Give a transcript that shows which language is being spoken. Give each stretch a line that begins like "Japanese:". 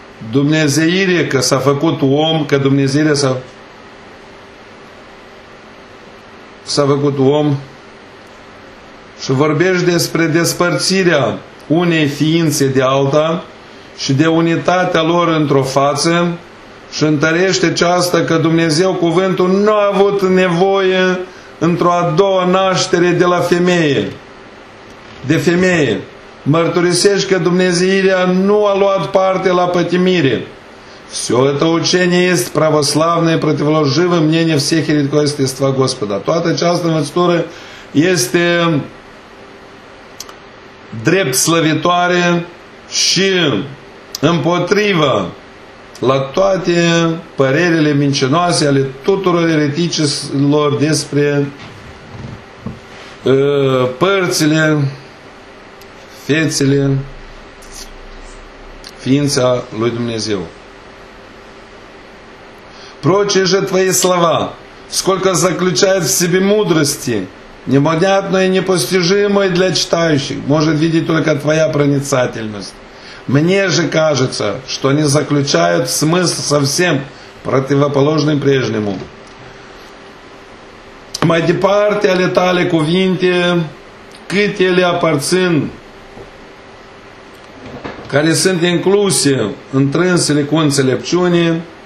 Romanian: dumnezeire, că s-a făcut om, că dumnezeire s-a făcut om și vorbești despre despărțirea unei ființe de alta și de unitatea lor într-o față și întărește aceasta că Dumnezeu cuvântul nu a avut nevoie într-o a doua naștere de la femeie. De femeie. Mărturisești că Dumnezeirea nu a luat parte la pătimire.
Russian: Все это учение есть православное противоположиво мнение всех еретиков естества Господа.
Romanian: Toată această învățătură este drept slăvitoare și împotrivă la toate părerile mincinoase ale tuturor ereticilor despre părțile, fețele, ființa lui Dumnezeu.
Russian: Прочие же твои слова, сколько заключают в себе мудрости, непонятной и непостижимой для читающих, может видеть только твоя проницательность. Мне же кажется, что они заключают смысл совсем противоположным прежнему.
Romanian: Mai departe ale tale cuvinte, cât ele aparțin, care sunt incluse în trânsele cu înțelepciune,